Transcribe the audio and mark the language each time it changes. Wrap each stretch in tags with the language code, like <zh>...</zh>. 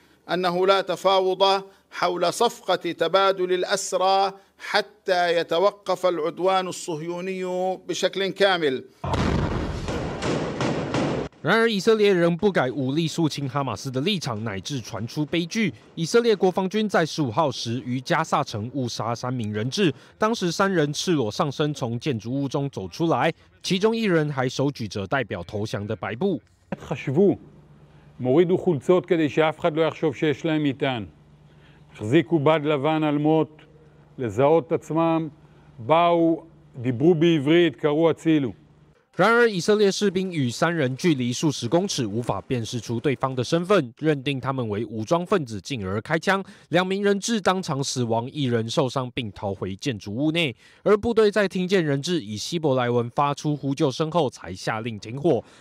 <ar>أنه لا تفاوض حول صفقة تبادل الأسرى حتى يتوقف العدوان الصهيوني بشكل كامل.</ar> <zh>然而，以色列仍不改武力肃清哈马斯的立场，乃至传出悲剧。以色列国防军在15号时于加萨城误杀三名人质，当时三人赤裸上身从建筑物中走出来，其中一人还手举着代表投降的白布。</zh> <he>מורידו חולצות כדי שאף אחד לא יחשוב שיש להם איתן. החזיקו בד לבן על מות, לזהות עצמם, באו, דיברו בעברית, קראו הצילו.</he> <zh>然而，以色列士兵与三人距离数十公尺，无法辨识出对方的身份，认定他们为武装分子，进而开枪。两名人质当场死亡，一人受伤并逃回建筑物内。而部队在听见人质以希伯来文发出呼救声后，才下令停火。</zh>